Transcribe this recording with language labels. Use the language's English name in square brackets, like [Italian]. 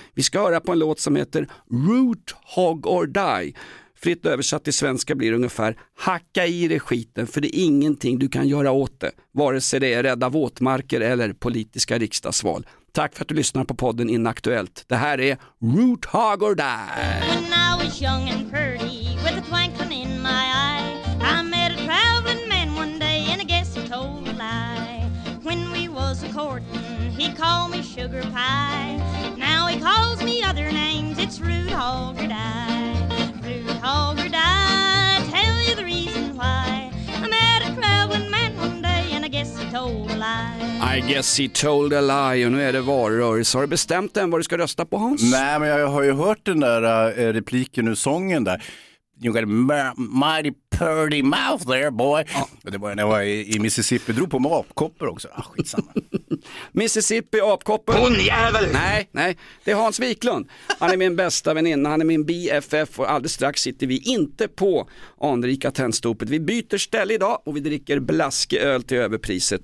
[Swedish] Vi ska höra på en låt som heter Root Hog or Die. Fritt översatt till svenska blir ungefär hacka i dig skiten, för det är ingenting du kan göra åt det, vare sig det är rädda våtmarker eller politiska riksdagsval. Tack för att du lyssnar på podden Inaktuellt. Det här är Root Hog or Die. [English] When I was young and pretty with a twinkle in my eye, I met a traveling man one day and I guess he told a lie. When we was a courting, he called me sugar pie. Now he calls me other names, it's Root Hog or Die. Root Hog or Die, I tell you the reason why. I met a traveling man one day and I guess he told a lie. I guess he told a lie, [Swedish] och nu är det valrörelse. Har du bestämt än vad du ska rösta på, Hans? Nej, men jag har ju hört den där repliken ur sången där. [English] You got a mighty pretty mouth there, boy. Ah. [Swedish] Det var när jag var i Mississippi, drog på mig apkoppor också. Ah, skitsamma. Mississippi, apkoppor. Hon jävel! Nej, det är Hans Wiklund. Han är min bästa väninna, han är min BFF, och alldeles strax sitter vi inte på anrika tändstopet. Vi byter ställe idag och vi dricker blasköl till överpriset.